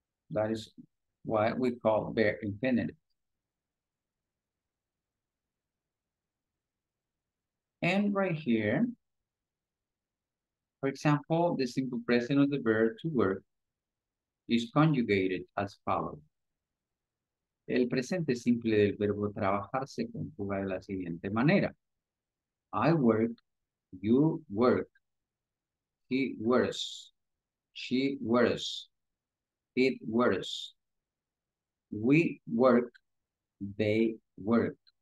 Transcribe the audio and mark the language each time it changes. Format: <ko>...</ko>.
<en>That is why we call bare infinitive. And right here, for example, the simple present of the verb to work is conjugated as follows.</en> <es>El presente simple del verbo trabajar se conjuga de la siguiente manera.</es> <en>I work, you work, he works, she works, it works, we work, they work.</en>